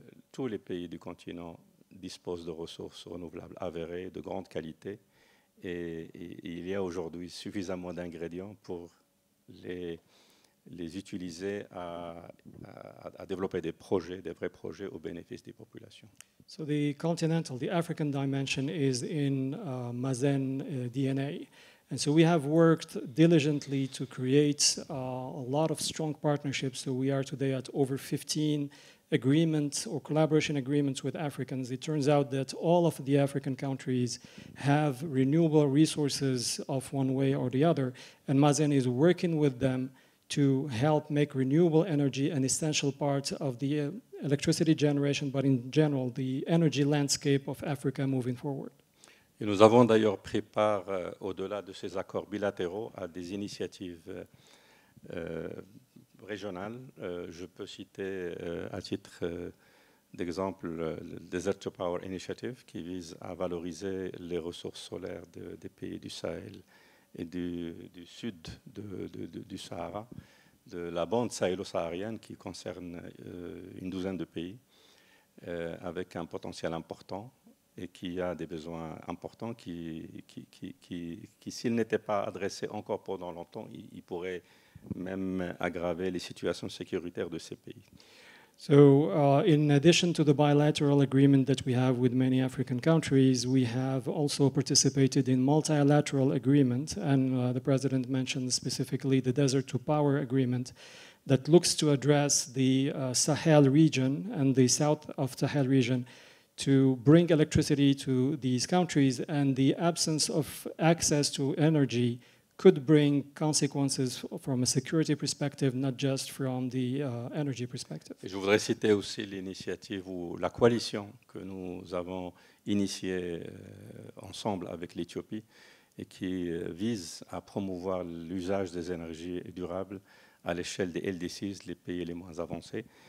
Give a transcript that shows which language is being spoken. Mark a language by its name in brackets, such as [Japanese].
[French] Tous les pays du continent disposent de ressources renouvelables avérées de grande qualité et il y a aujourd'hui suffisamment d'ingrédients pour les utiliser à développer des projets, des vrais projets au bénéfice des populations. [English] So the continental, the African dimension is in Masen DNA. And so we have worked diligently to create a lot of strong partnerships. So we are today at over 15 agreements or collaboration agreements with Africans. It turns out that all of the African countries have renewable resources of one way or the other. And Masen is working with them to help make renewable energy an essential part of the electricity generation, but in general, the energy landscape of Africa moving forward. [French] Et nous avons d'ailleurs pris part, au-delà de ces accords bilatéraux, à des initiatives régionales. Je peux citer à titre d'exemple le Desert to Power Initiative, qui vise à valoriser les ressources solaires des pays du Sahel et du sud du Sahara, de la bande sahélo-saharienne qui concerne une douzaine de pays, avec un potentiel important. Et qui a des besoins importants qui s'ils n'étaient pas adressés encore pendant longtemps, ils pourraient même aggraver les situations sécuritaires de ces pays. [English] So, in addition to the bilateral agreement that we have with many African countries, we have also participated in multilateral agreement, and the president mentioned specifically the Desert to Power agreement that looks to address the Sahel region and the south of Sahel region to bring electricity to these countries, and the absence of access to energy could bring consequences from a security perspective, not just from the energy perspective. [French] Et je voudrais citer aussi l'initiative ou la coalition que nous avons initiée ensemble avec l'Éthiopie et qui vise à promouvoir l'usage des énergies durables à l'échelle des LDCs, les pays les moins avancés.